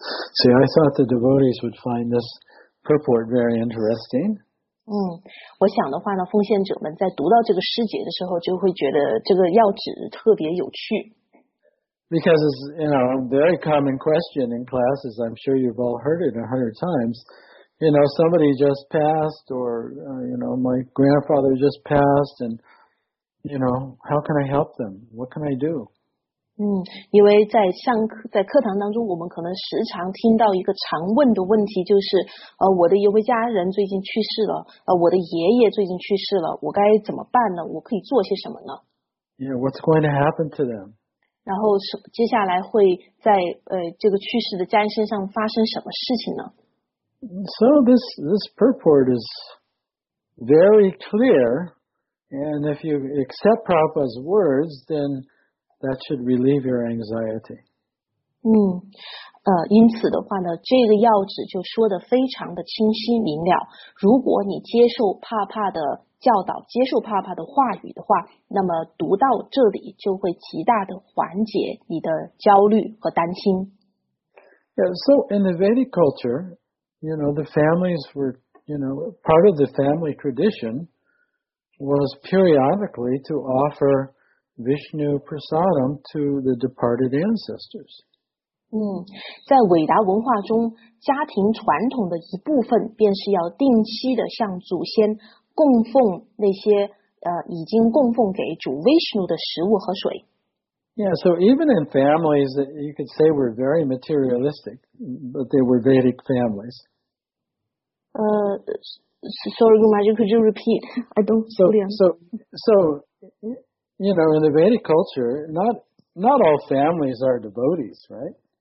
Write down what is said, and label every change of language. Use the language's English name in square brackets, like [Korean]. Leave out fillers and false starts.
[English] See, I thought the devotees would find this purport very interesting. [Chinese] 我想的话呢，奉献者们在读到这个诗节的时候，就会觉得这个要旨特别有趣。 [English] Because it's, you know, a very common question in classes. I'm sure you've all heard it 100 times. You know, somebody just passed, or you know, my grandfather just passed, and you know, how can I help them? What can I do? [Chinese] 因为在课堂当中，我们可能时常听到一个常问的问题，就是我的一位家人最近去世了，我的爷爷最近去世了，我该怎么办呢？我可以做些什么呢 [English] ？Yeah, what's going to happen to them? [Chinese] 然后接下来会在这个去世的家人身上发生什么事情呢 [English] ？So this purport is very clear, and if you accept Prabhupada's words, then that should relieve your anxiety. [Chinese] 因此的话呢，这个要旨就说得非常的清晰明了。如果你接受帕帕的教导，接受帕帕的话语的话，那么读到这里就会极大的缓解你的焦虑和担心。 [English] Yeah, so in the Vedic culture, you know, the families were, you know, part of the family tradition was periodically to offer Vishnu Prasadam to the departed ancestors. [Chinese] 在韦达文化中，家庭传统的一部分便是要定期的向祖先供奉那些已经供奉给主 Vishnu 的食物和水。 [English] Yeah, so even in families that you could say were very materialistic, but they were Vedic families. Sorry, Guruji, could you repeat? I don't fully understand. You know, in the Vedic culture, not all families are devotees, right?